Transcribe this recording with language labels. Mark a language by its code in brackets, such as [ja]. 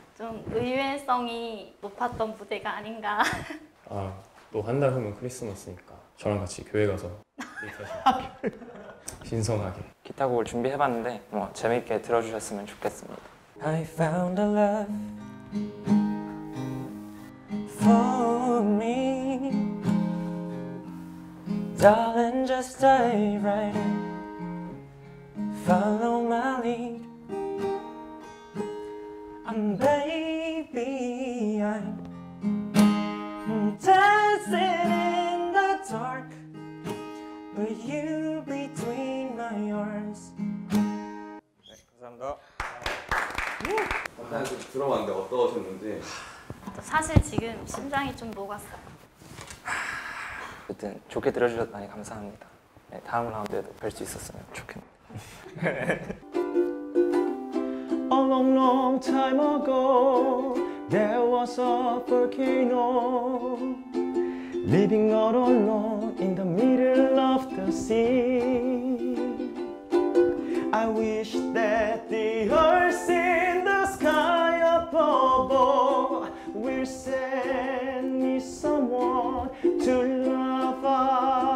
[ko] 좀 의외성이 높았던 무대가 아닌가. 아, 또 한 달 후면 크리스마스니까 저랑 같이 교회 가서 신성하게 기타 곡을 준비해봤는데 뭐 재밌게 들어주셨으면 좋겠습니다. [en] I found a love for me Darling just stay right Follow my lead Baby, I'm dancing in the dark With you between my arms. [ko] 네, 감사합니다. 한 잔씩 들어봤는데 어떠셨는지? 사실 지금 심장이 좀 녹았어요. 어쨌든 좋게 들어주셨다니 감사합니다. 네, 다음 라운드에도 뵐 수 있었으면 좋겠네요. [en] A long, long time ago, there was a volcano living all alone in the middle of the sea. I wish that the earth in the sky above will send me someone to love us.